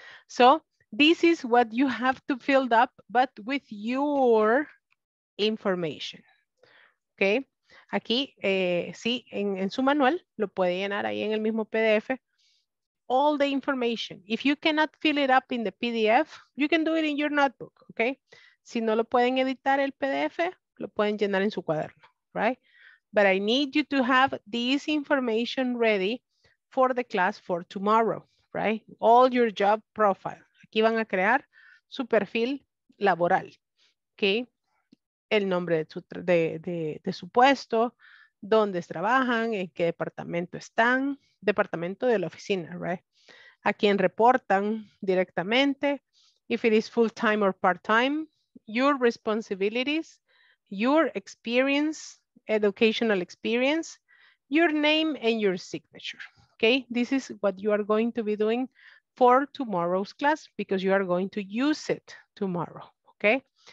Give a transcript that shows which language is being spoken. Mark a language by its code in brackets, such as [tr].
[en] So, this is what you have to fill up, but with your information, okay? [es] Aquí, sí, en su manual, lo puede llenar ahí en el mismo PDF, [en] all the information. If you cannot fill it up in the PDF, you can do it in your notebook, okay? [es] Si no lo pueden editar el PDF, lo pueden llenar en su cuaderno, right? [en] But I need you to have this information ready for the class for tomorrow, right? All your job profile. [es] Aquí van a crear su perfil laboral, okay? El nombre de su puesto, dónde trabajan, en qué departamento están, departamento de la oficina, right? A quién reportan directamente, [en] if it is full-time or part-time, your responsibilities, your experience, educational experience, your name and your signature, okay? This is what you are going to be doing for tomorrow's class, because you are going to use it tomorrow, okay?